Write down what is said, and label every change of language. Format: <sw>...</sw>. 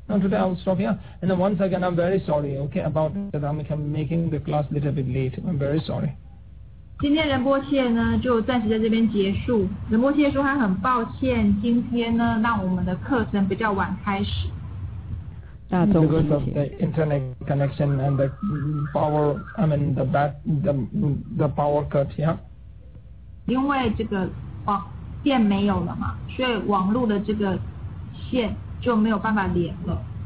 <en>Now today I will stop here. And then once again, I'm very sorry. Okay, about that I'm making the class a little bit late. I'm very sorry.</en> <zh>今天仁波切呢就暂时在这边结束。仁波切说他很抱歉，今天呢让我们的课程比较晚开始。大众谢谢。</zh> <en>Because of the internet connection and the power, the power cut, yeah.</en> <zh>因为这个网。线没有了嘛，所以网络的这个线就没有办法连了。</zh>